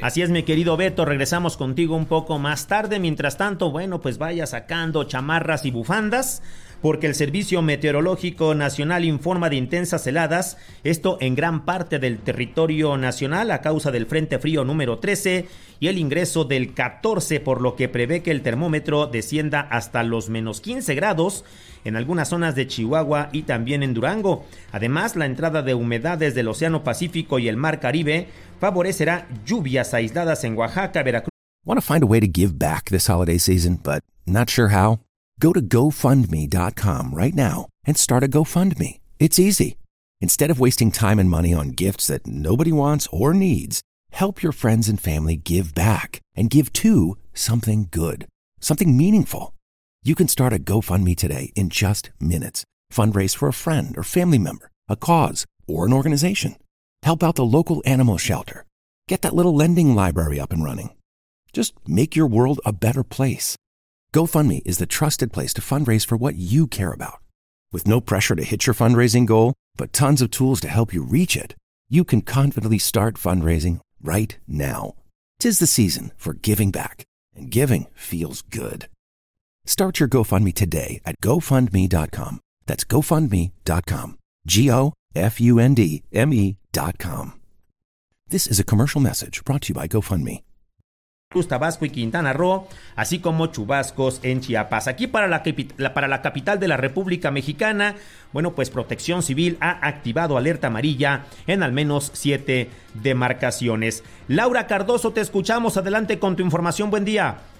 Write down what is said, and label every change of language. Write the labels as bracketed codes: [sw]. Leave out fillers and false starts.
[es] Así es, mi querido Beto, regresamos contigo un poco más tarde. Mientras tanto, bueno, pues vaya sacando chamarras y bufandas, porque el Servicio Meteorológico Nacional informa de intensas heladas, esto en gran parte del territorio nacional a causa del frente frío número 13 y el ingreso del 14, por lo que prevé que el termómetro descienda hasta los menos 15 grados en algunas zonas de Chihuahua y también en Durango. Además, la entrada de humedades del Océano Pacífico y el Mar Caribe favorecerá lluvias aisladas en Oaxaca, Veracruz. [en] Want to find a way to give back this holiday season, but not sure how? Go to GoFundMe.com right now and start a GoFundMe. It's easy. Instead of wasting time and money on gifts that nobody wants or needs, help your friends and family give back and give to something good, something meaningful. You can start a GoFundMe today in just minutes. Fundraise for a friend or family member, a cause, or an organization. Help out the local animal shelter. Get that little lending library up and running. Just make your world a better place. GoFundMe is the trusted place to fundraise for what you care about. With no pressure to hit your fundraising goal, but tons of tools to help you reach it, you can confidently start fundraising right now. Tis the season for giving back, and giving feels good. Start your GoFundMe today at GoFundMe.com. That's GoFundMe.com. GoFundMe.com. This is a commercial message brought to you by GoFundMe. [es] Tabasco y Quintana Roo, así como chubascos en Chiapas. Aquí para la capital de la República Mexicana, bueno, pues Protección Civil ha activado alerta amarilla en al menos 7 demarcaciones. Laura Cardoso, te escuchamos. Adelante con tu información. Buen día.